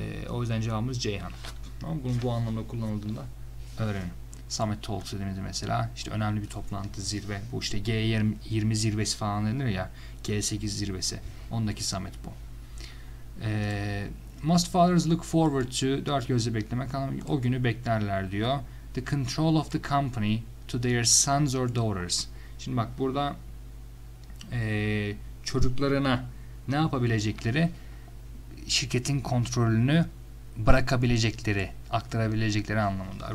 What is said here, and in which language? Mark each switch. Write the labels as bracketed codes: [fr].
[tr] O yüzden cevabımız Ceyhan. Tamam, bunun bu anlamda kullanıldığında öğrenin. Summit Talks dediğimizde mesela işte önemli bir toplantı, zirve, bu işte G20 zirvesi falan denir ya, G8 zirvesi, ondaki summit bu. [en] Most fathers look forward to, [tr] dört gözle beklemek, o günü beklerler diyor. [en] The control of the company to their sons or daughters. [tr] Şimdi bak burada çocuklarına ne yapabilecekleri, şirketin kontrolünü bırakabilecekleri, aktarabilecekleri anlamında.